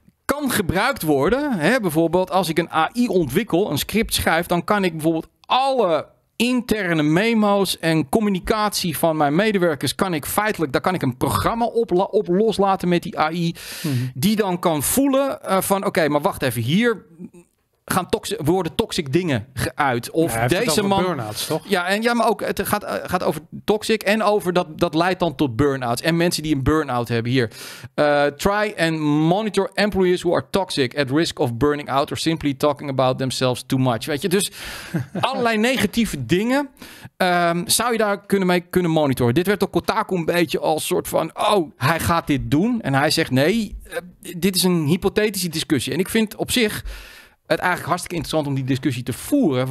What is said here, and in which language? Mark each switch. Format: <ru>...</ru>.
<nl>kan gebruikt worden. Hè, bijvoorbeeld als ik een AI ontwikkel, een script schrijf, dan kan ik bijvoorbeeld alle interne memo's en communicatie van mijn medewerkers kan ik feitelijk, daar kan ik een programma op loslaten met die AI, die dan kan voelen van oké, maar wacht even, hier gaan worden toxic dingen geuit. Of ja, deze man. Burn-outs, toch? Ja, en ja, maar ook het gaat over toxic en over dat leidt dan tot burn-outs. En mensen die een burn-out hebben hier.</nl> <en>Try and monitor employees who are toxic at risk of burning out or simply talking about themselves too much.</en> <nl>Weet je, dus allerlei negatieve dingen zou je daar kunnen monitoren. Dit werd op Kotaku een beetje als soort van: oh, hij gaat dit doen. En hij zegt: nee, dit is een hypothetische discussie. En ik vind op zich het eigenlijk hartstikke interessant om die discussie te voeren.</nl>